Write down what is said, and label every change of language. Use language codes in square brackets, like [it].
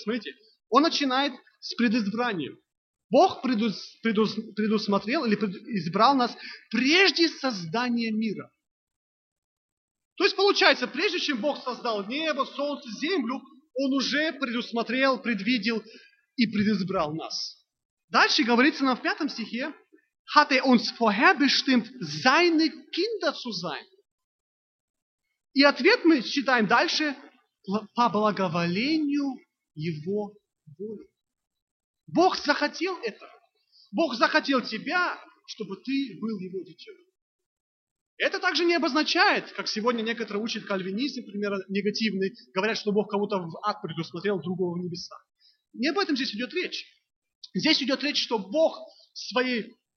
[ru] Смотрите, он начинает с предизбрания. Бог предусмотрел или избрал нас прежде создания мира. То есть получается, прежде чем Бог создал небо, солнце, землю, Он уже предусмотрел, предвидел и предизбрал нас. Дальше говорится нам в 5 стихе, [de] «Hatte uns vorherbestimmt, seine Kinder zu sein». [ru] И ответ мы считаем дальше «по благоволению Его воли». Бог захотел это. Бог захотел тебя, чтобы ты был Его детем. Это также не обозначает, как сегодня некоторые учат кальвинизм, например, негативный, говорят, что Бог кого-то в ад предусмотрел, другого в небеса. Не об этом здесь идет речь. Здесь идет речь, что Бог своей